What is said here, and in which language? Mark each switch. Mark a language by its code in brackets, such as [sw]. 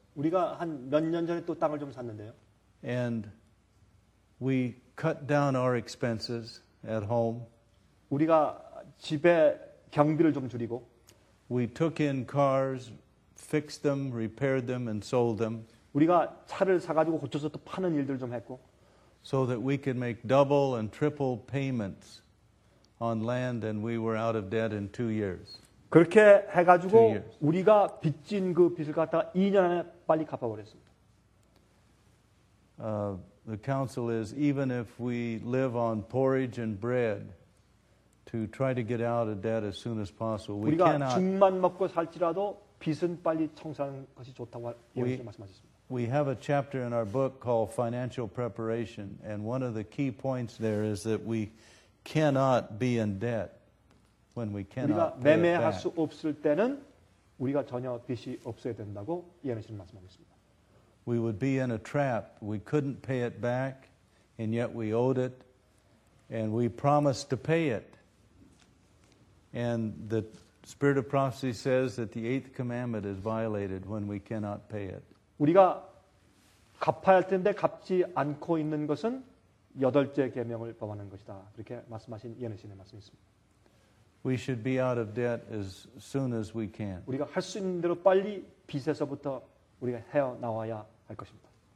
[ko] 우리가 한 몇 년 전에 또 땅을 좀 샀는데요. [en] And we cut down our expenses at home. [ko] 우리가 집에 경비를 좀 줄이고. [en] We took in cars, fixed them, repaired them, and sold them. [ko] 우리가 차를 사가지고 고쳐서 또 파는 일들 좀 했고. [en] So that we could make double and triple payments on land, and we were out of debt in 2 years. [ko] 그렇게 해가지고 우리가 빚진 그 빚을 갖다가 2년 안에 빨리 갚아버렸습니다. [en] The counsel is even if we live on porridge and bread to try to get out of debt as soon as possible, we cannot. [ko] 우리가 죽만 먹고 살지라도 빚은 빨리 청산하는 것이 좋다고 여기서 말씀하셨습니다. [en] We have a chapter in our book called Financial Preparation, and one of the key points there is that we cannot be in debt when we cannot pay it back. [ko] 우리가 매매할 수 없을 때는 우리가 전혀 빚이 없어야 된다고 예언하신 말씀하셨습니다. [en] We would be in a trap. We couldn't pay it back, and yet we owed it, and we promised to pay it. And the spirit of prophecy says that the eighth commandment is violated when we cannot pay it. [ko] 우리가 갚아야 할 텐데 갚지 않고 있는 것은 여덟째 계명을 범하는 것이다. 그렇게 말씀하신 예언하신 말씀이 있습니다. We should be out of debt as soon as we can. 우리가 할 수 있는 대로 빨리 빚에서부터 우리가 헤어 나와야 할 것입니다.